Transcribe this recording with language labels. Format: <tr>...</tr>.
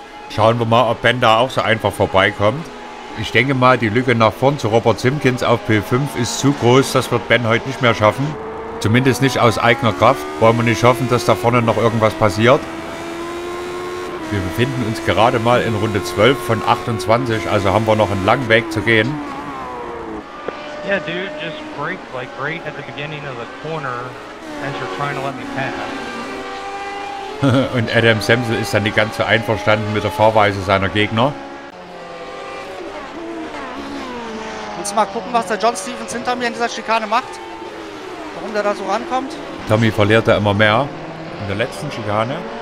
<de>Schauen wir mal, ob Ben da auch so einfach vorbeikommt. Ich denke mal, die Lücke nach vorn zu Robert Simpkins auf P5 ist zu groß. Das wird Ben heute nicht mehr schaffen. Zumindest nicht aus eigener Kraft. Wollen wir nicht hoffen, dass da vorne noch irgendwas passiert. Wir befinden uns gerade mal in Runde 12 von 28, also haben wir noch einen langen Weg zu gehen.</de> <en>Yeah, dude, just break like right at the beginning of the corner as you're trying to let me pass.</en> <de>Und Adam Semsel ist dann nicht ganz so einverstanden mit der Fahrweise seiner Gegner. Willst du mal gucken, was der John Stevens hinter mir in dieser Schikane macht? Warum der da so rankommt? Tommy verliert da immer mehr in der letzten Schikane.</de>